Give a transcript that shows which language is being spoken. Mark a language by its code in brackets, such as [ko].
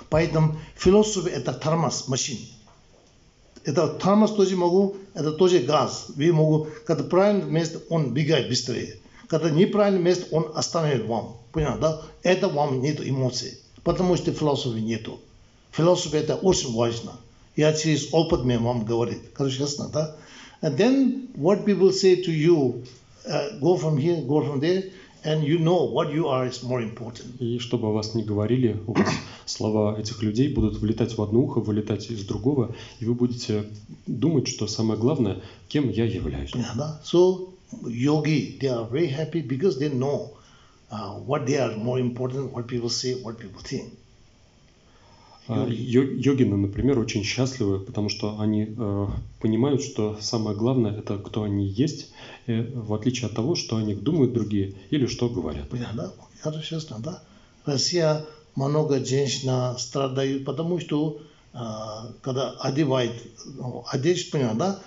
[ru] Поэтому философия это тормоз, машина. Это тормоз тоже могу, это тоже газ. Вы могу, когда правильно место, он бегает быстрее. Когда неправильное место, он останавливает вам. Понятно, да? Это вам нет эмоций. Потому что философии нету. Философия это очень важно. Я через опыт мне вам говорит. Короче, ясно, да? [en] And then what people say to you, go from here, go from there, and you know what you are is more important. [ru] И чтобы о вас не говорили, у вас слова этих людей будут влетать в одно ухо, вылетать из другого, и вы будете думать, что самое главное, кем я являюсь. Понятно, да? [en] So, yogi, they are very happy because they know what they are more important, what people say, what people think. [ru] Йогины, например, очень счастливы, потому что они понимают, что самое главное – это кто они есть, в отличие от того, что о них думают другие или что говорят. Понятно, да? Честно, да? В России много женщин страдают, потому что когда одевают одежду, понятно, да?